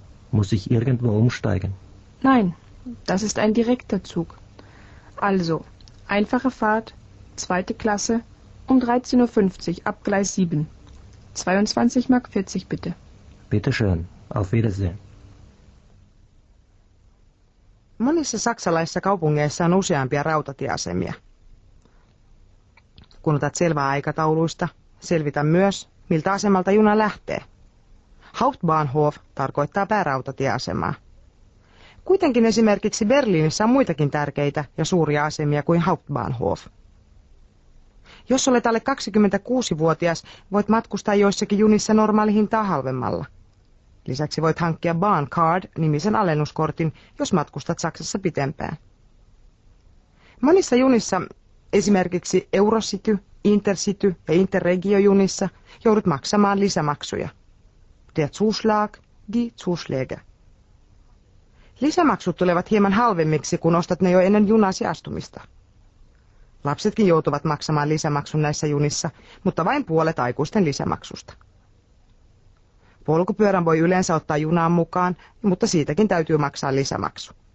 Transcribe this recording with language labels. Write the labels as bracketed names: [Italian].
[German] Muss ich irgendwo umsteigen? Nein, das ist ein direkter Zug. Also, einfache Fahrt, zweite Klasse, um 13.50 Uhr ab Gleis 7. 22 Mark 40 bitte. Bitte schön, auf Wiedersehen. [Finnish] Monissa saksalaisissa kaupungeissa on useampia rautatieasemia. Kun otat selvää aikatauluista, selvitä myös, miltä asemalta juna lähtee. Hauptbahnhof tarkoittaa päärautatieasemaa. Kuitenkin esimerkiksi Berliinissä on muitakin tärkeitä ja suuria asemia kuin Hauptbahnhof. Jos olet alle 26-vuotias, voit matkustaa joissakin junissa normaalihintaa halvemmalla. Lisäksi voit hankkia Bahncard-nimisen alennuskortin, jos matkustat Saksassa pitempään. Monissa junissa, esimerkiksi Eurocity, Intercity ja Interregio-junissa, joudut maksamaan lisämaksuja. [German] Der Zuschlag, die Zuschläge. [Finnish] Lisämaksut tulevat hieman halvemmiksi, kun ostat ne jo ennen junasi astumista. Lapsetkin joutuvat maksamaan lisämaksun näissä junissa, mutta vain puolet aikuisten lisämaksusta. Polkupyörän voi yleensä ottaa junaan mukaan, mutta siitäkin täytyy maksaa lisämaksu.